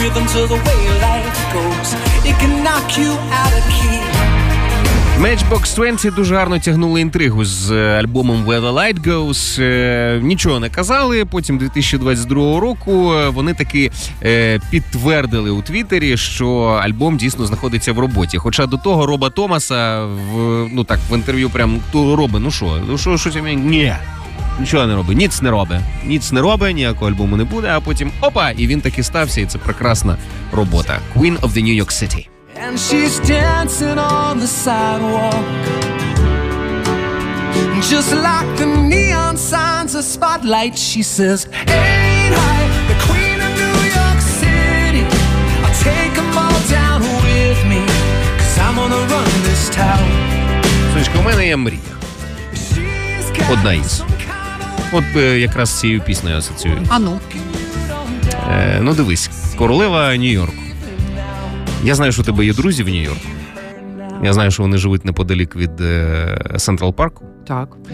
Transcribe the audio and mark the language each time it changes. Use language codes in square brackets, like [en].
[en] To the way life goes, it can knock you out of key. [uk] Matchbox 20 дуже гарно тягнули інтригу з альбомом Where the Light Goes. Нічого не казали, потім 2022 року вони таки підтвердили у Твіттері, що альбом дійсно знаходиться в роботі. Хоча до того Роба Томаса в інтерв'ю прям ту роби, Ні. Нічого не робить, ніц не робить, ніякого альбому не буде, а потім опа, і він таки стався, і це прекрасна робота. [en] Queen of the New York City. And she's dancing on the sidewalk, just like the neon signs, a spotlight, she says, ain't I the queen of New York City? I'll take them all down with me, cause I'm gonna run this town. [uk] Сонечко, у мене є мрія. Одна із. От якраз цією піснею асоціюю. Ану. Ну дивись, королева Нью-Йорку. Я знаю, що у тебе є друзі в Нью-Йорку. Я знаю, що вони живуть неподалік від Сентрал Парку. Так.